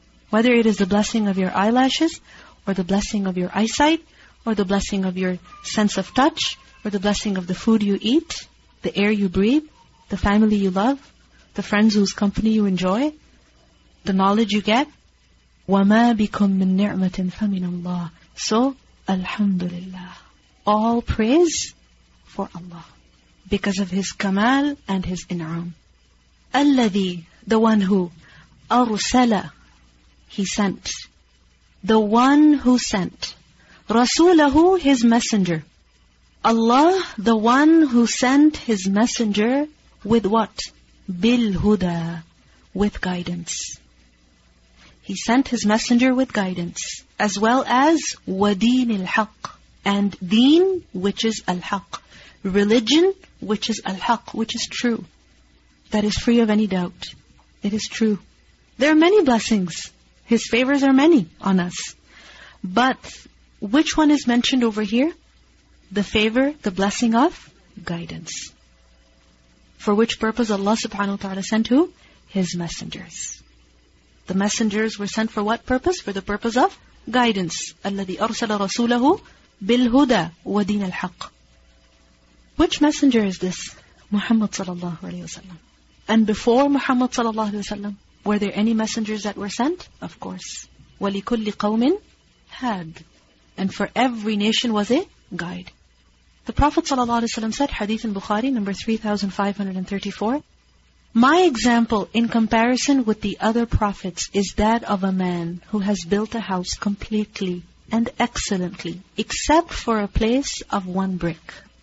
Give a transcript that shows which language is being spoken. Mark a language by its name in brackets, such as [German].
[English] Whether it is the blessing of your eyelashes, or the blessing of your eyesight, or the blessing of your sense of touch, or the blessing of the food you eat, the air you breathe, the family you love, the friends whose company you enjoy, the knowledge you get. [Arabic] وَمَا بِكُم مِّن نِعْمَةٍ فَمِنَ اللَّهِ [English] So, Alhamdulillah. All praise for Allah. Because of His kamal and His in'am. الَّذِي The one who أَرْسَلَ He sent. The one who sent. رَسُولَهُ His messenger. Allah, the one who sent His messenger with what? بِالْهُدَى With guidance. He sent His messenger with guidance. As well as [Arabic] وَدِينِ الْحَقِّ [English] And deen, which is الحق. Religion, which is al-haq, which is true. That is free of any doubt. It is true. There are many blessings. His favors are many on us. But which one is mentioned over here? The favor, the blessing of guidance. For which purpose Allah subhanahu wa ta'ala sent who? His messengers. The messengers were sent for what purpose? For the purpose of guidance. [Arabic] الَّذِي أَرْسَلَ رَسُولَهُ بِالْهُدَى وَدِينَ الْحَقِّ [English] Which messenger is this? Muhammad sallallahu alayhi wa sallam. And before Muhammad sallallahu alayhi wa sallam, were there any messengers that were sent? Of course. [Arabic] وَلِكُلِّ قَوْمٍ had. [English] And for every nation was a guide. The Prophet sallallahu alayhi wa sallam said, Hadith in Bukhari, number 3534, My example in comparison with the other prophets is that of a man who has built a house completely and excellently, except for a place of one brick.